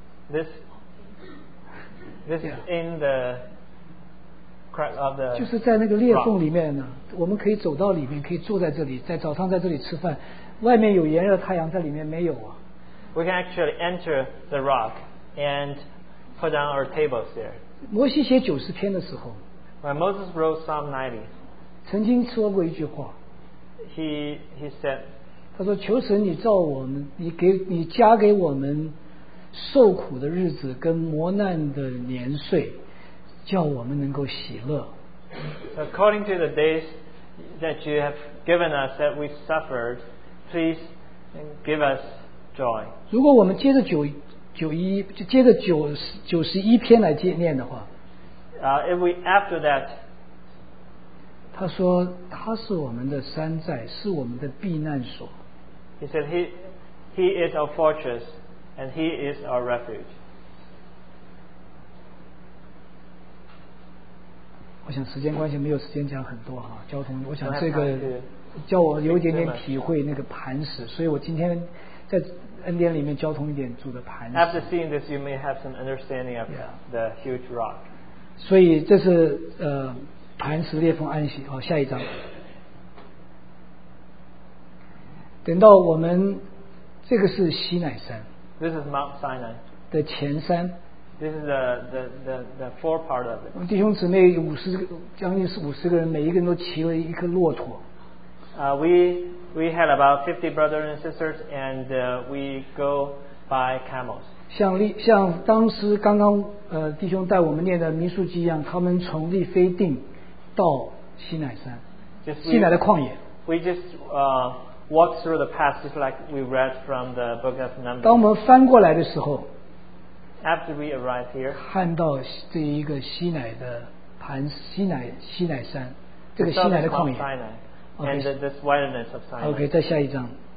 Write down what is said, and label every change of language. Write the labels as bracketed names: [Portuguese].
[English] This is in the crack of the. [Chinese] 就是在那个裂缝里面呢，我们可以走到里面，可以坐在这里，在早上在这里吃饭。外面有炎热太阳，在里面没有啊。 [English] We can actually enter the rock and put down our tables there. [Chinese] 摩西写九十篇的时候 [English] ，When Moses wrote Psalm 90, [Chinese] 曾经说过一句话。 [English] He said. [Chinese] 他说：“求神，你照我们，你加给我们受苦的日子跟磨难的年岁，叫我们能够喜乐。” [English] According to the days that you have given us that we suffered, please give us joy. [Chinese] 如果我们接着九一，接着九十一篇来念的话， [English] if we after that. [Chinese] 他说他是我们的山寨，是我们的避难所。 [English] He said he is our fortress and he is our refuge. [Chinese] 我想时间关系没有时间讲很多哈，交通我想这个叫我有点体会那个磐石，所以我今天在恩典里面交通一点住的磐石。 [English] After seeing this, you may have some understanding of the huge rock. [Chinese] 所以这是磐石裂缝安息。好，下一章。等到我们这个是西乃山。 [English] This is Mount Sinai. [Chinese] 的前山。 [English] This is the fore part of it. [Chinese] 弟兄姊妹将近五十个人，每一个人都骑了一颗骆驼。 [English] We had about 50 brothers and sisters, and we go by camels. [Chinese] 像当时刚刚弟兄带我们念的民数记一样，他们从利非定。到西乃山，西乃的旷野。 [English] we just walk through the past just like we read from the book of Numbers. [Chinese] 当我们翻过来的时候， [English] after we arrive here, [Chinese] 看到这一个西乃的盘西乃西乃山，这个西乃的旷野。 [English] Okay, and this wilderness of Sinai. [Chinese] Okay, 再下一张。